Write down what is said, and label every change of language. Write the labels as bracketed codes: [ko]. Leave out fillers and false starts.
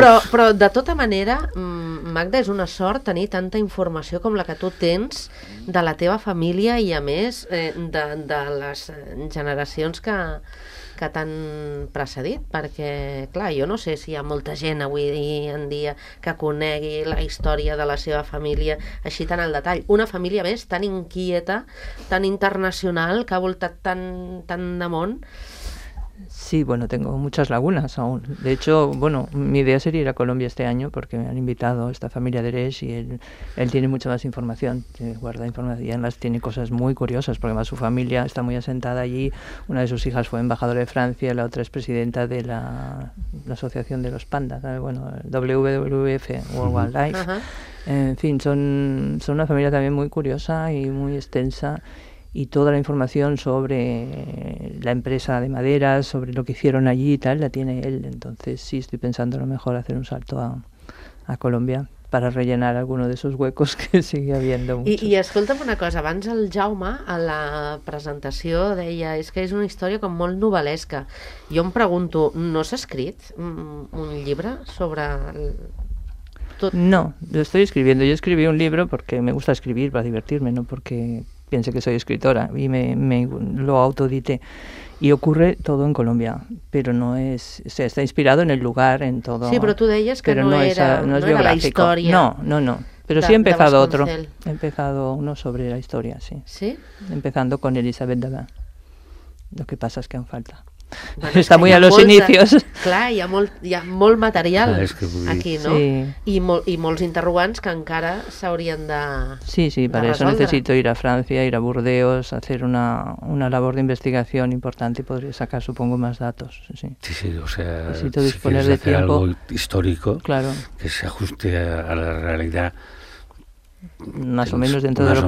[ca] Però, de tota manera, Magda, és una sort tenir tanta informació com la que tu tens de la teva família i, a més, de les generacions que t'han precedit, perquè, clar, jo no sé si hi ha molta gent avui en dia que conegui la història de la seva família així tan al detall. Una família, més, tan inquieta, tan internacional, que ha voltat tan de món. [es] Sí, bueno, tengo muchas lagunas aún. De hecho, bueno, mi idea sería ir a Colombia este año porque me han invitado esta familia de Reyes y él tiene mucha más información, guarda información y además tiene cosas muy curiosas porque además su familia está muy asentada allí. Una de sus hijas fue embajadora de Francia, la otra es presidenta de la Asociación de los Pandas, bueno, WWF, World Wildlife. En fin, son una familia también muy curiosa y muy extensa. Y toda la información sobre la empresa de maderas, sobre lo que hicieron allí y tal, la tiene él. Entonces sí, estoy pensando a lo mejor hacer un salto a Colombia para rellenar alguno de esos huecos que sigue habiendo muchos. [ca] I escolta'm una cosa, abans el Jaume, a la presentació, deia és que és una història com molt novel·lesca. Jo em pregunto, no s'ha escrit un llibre sobre... [es] No, lo estoy escribiendo. Yo escribí un libro porque me gusta escribir para divertirme, no porque... piense que soy escritora y me lo autoedité. Y ocurre todo en Colombia, pero no es... O sea, está inspirado en el lugar, en todo... Sí, pero tú deías que no era biográfico. La historia. No. Pero sí he empezado otro. He empezado uno sobre la historia, sí. ¿Sí? Empezando con Elizabeth Dada. Lo que pasa es que aún falta. Bueno, está muy a los inicios. [ca] Clar, hi ha molt material aquí, no? Sí. I molts interrogants que encara s'haurien de resoldre. [es] Sí, para eso necesito ir a Francia, ir a Burdeos, hacer una labor de investigación importante y podría sacar, supongo, más datos. Sí, sí, o sea, necesito disponer de tiempo, algo histórico, claro, que se ajuste a la realidad. Más o menos dentro de lo que